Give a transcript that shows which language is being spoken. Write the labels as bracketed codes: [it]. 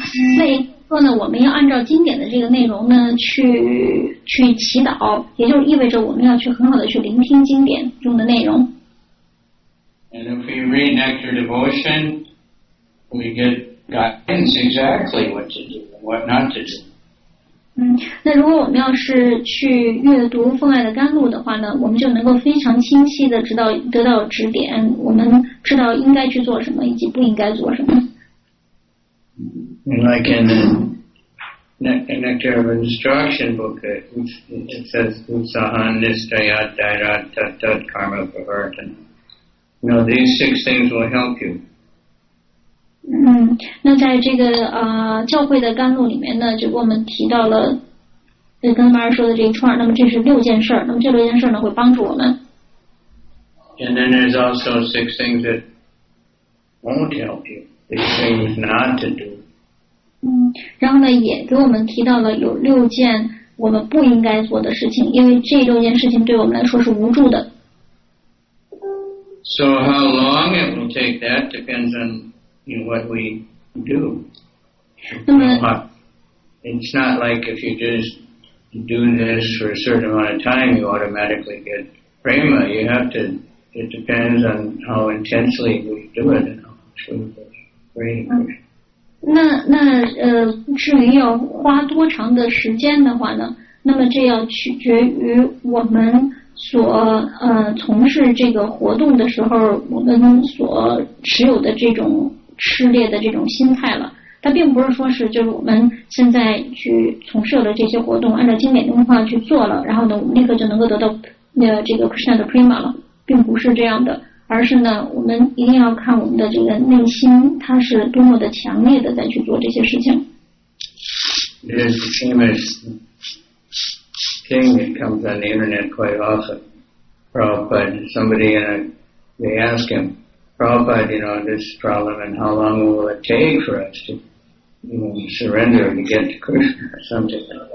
[zh] Yeah, 所以说呢，我们要按照经典的这个内容呢去祈祷，也就意味着我们要去很好的去聆听经典中的内容。 [en] And if we read Nectar Devotion, we get guidance exactly what to do, what not to do. [zh] 那如果我们要是去阅读《奉爱的甘露》的话呢，我们就能够非常清晰的得到指点，我们知道应该去做什么以及不应该做什么。 [en] And like in the Nectar of Instruction book, it says, "Utsahan nistaya dhaira tat tat karma pravartana." Now these six things will help you. [zh] 那在这个教会的甘露里面呢，就我们提到了，跟妈说的这一串，那么这是六件事，那么这六件事呢会帮助我们。 [en] And then there's also six things that won't help you, these things not to do. [zh] 然后呢也给我们提到了有六件我们不应该做的事情，因为这六件事情对我们来说是无助的。 [en] So how long it will take that depends onin what we do. It's not like if you just do this for a certain amount of time, you automatically get prema. You have to, it depends on how intensely we do it and how much we do it. [zh] 那至于要花多长的时间的话呢，那么这要取决于我们所从事这个活动的时候，我们所持有的这种失劣的这种心态了，它并不是说是就是我们现在去从事的这些活动，按照经典的话去做了，然后呢，我们立刻就能够得到这个 Krishna 的 prema 了，并不是这样的，而是呢，我们一定要看我们的这个内心，它是多么的强烈的在去做这些事情。 [en] There's a famous thing that comes on the internet quite often. Prabhupada, somebody, they ask him. Prabhupada, you know, this problem and how long will it take for us to surrender and get to Krishna or something.